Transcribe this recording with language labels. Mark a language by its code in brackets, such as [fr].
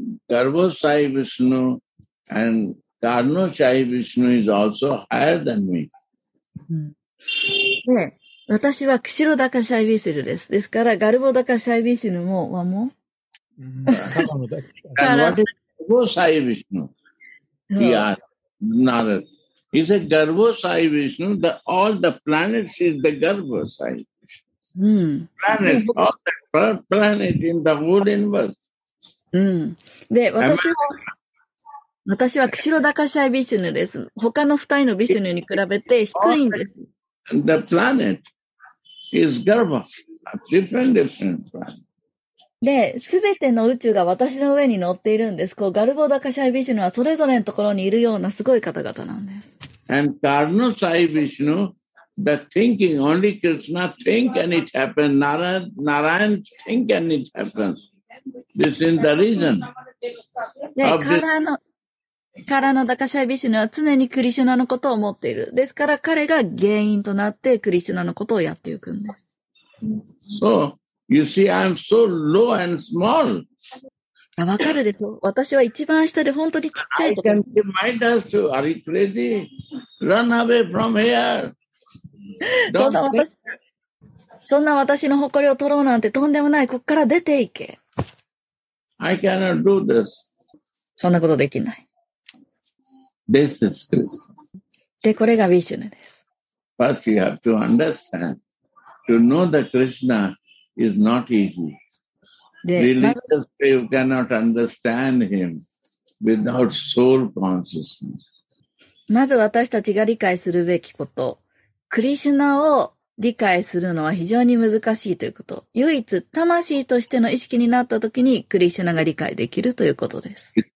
[en] Garbha Sai Vishnu and Karno Sai Vishnu is also higher than me. [ja] ね、私はクシロダカシャイビシュヌです。ですから、ガルボダカシャイビシュヌも、ワモ [en] Garbha Sai Vishnu. He asked Narayan. He said, Garbha Sai Vishnu, all the planets is the Garbha Sai Vishnu. Planets, all the planets in the whole universe. [ja] で、私はクシロダカシャイ・ビシュヌです。他の二人のビシュヌに比べて低いんです。 [en] The planet is Garbha, a different planet. [ja] で、すべての宇宙が私の上に乗っているんです。こう、ガルボダカシャイ・ビシュヌはそれぞれのところにいるようなすごい方々なんです。 [en] And Karno Sai Vishnu, the thinking, only Krishna think and it happens. Narayan think and it happens. This is the reason. [ja] Karno Dakashai Vishnu は常にクリシュナのことを思っている。ですから彼が原因となってクリシュナのことをやっていくんです。 [en] So, you see, I'm so low and small. [ja] わかるでしょ。私は一番下で本当にちっちゃいところ。 [en] I can remind us to, are you crazy? Run away from here. [ja] そんな私の誇りを取ろうなんてとんでもない。こっから出ていけ。 [en] I cannot do this. [ja] そんなことできない。 [en] This is Krishna. [ja] で、これがヴィシュヌです。 [en] First, you have to understand. To know the Krishna is not easy. Religious people cannot understand him without soul consciousness. [ja] まず私たちが理解するべきこと、クリシュナを理解するのは非常に難しいということ。唯一、魂としての意識になったときにクリシュナが理解できるということです。